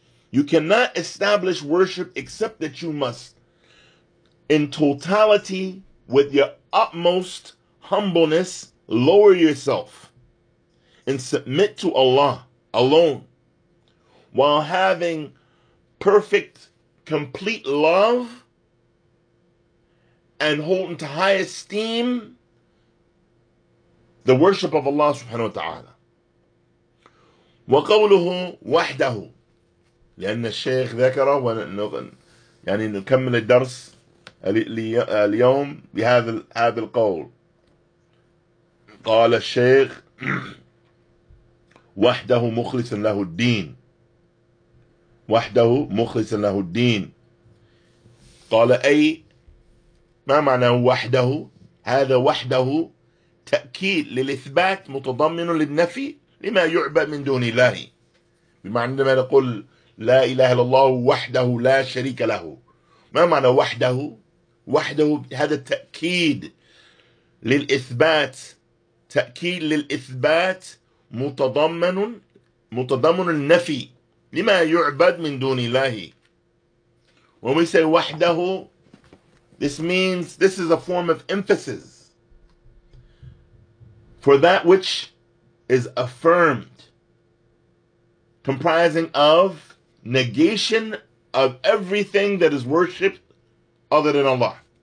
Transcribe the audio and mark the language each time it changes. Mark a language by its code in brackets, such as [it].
[en] You cannot establish worship except that you must in totality with your utmost humbleness, lower yourself and submit to Allah alone while having perfect, complete love and holding to high esteem the worship of Allah subhanahu wa ta'ala. [ar] وقوله وحده لأن الشيخ ذكره ونقل يعني نكمل الدرس اليوم بهذا القول. قال الشيخ وحده مخلصا له الدين وحده مخلصا له الدين. قال أي ما معنى وحده؟ هذا وحده تأكيد للإثبات متضمن للنفي لما يعبد من دون الله. بمعنى ما نقول لا إله إلا الله وحده لا شريك له. ما معنى وحده؟ وحده هذا التأكيد للإثبات تأكيد للإثبات متضمن النفي لما يعبد من دون الله. [en] When we say وحده, this is a form of emphasis for that which is affirmed, comprising of negation of everything that is worshipped other than Allah.